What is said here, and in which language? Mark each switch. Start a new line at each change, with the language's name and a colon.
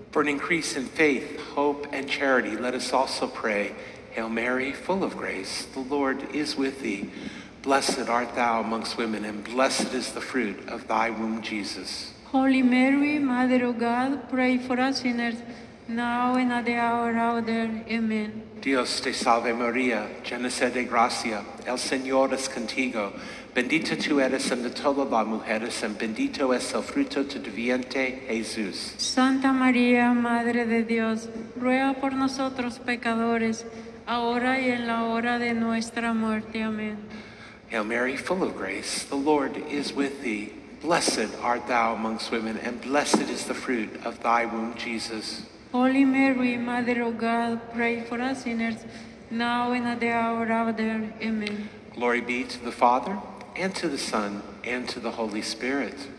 English: For an increase in faith, hope, and charity, let us also pray. Hail Mary, full of grace, the Lord is with thee. Blessed art thou amongst women, and blessed is the fruit of thy womb, Jesus. Holy Mary, Mother of God, pray for us sinners, now and at the hour of our death. Amen.
Spanish: Dios te salve Maria, llena eres de gracia, el Señor es contigo. Bendita tú eres entre todas las mujeres, y bendito es el fruto de tu vientre, Jesús. Santa María, Madre de Dios, ruega por nosotros pecadores, ahora y en la hora de nuestra muerte. Amén.
English: Hail Mary, full of grace, the Lord is with thee. Blessed art thou amongst women, and blessed is the fruit of thy womb, Jesus. Holy Mary, Mother of God, pray for us sinners, now and at the hour of our death. Amen. Glory be to the Father, and to the Son, and to the Holy Spirit.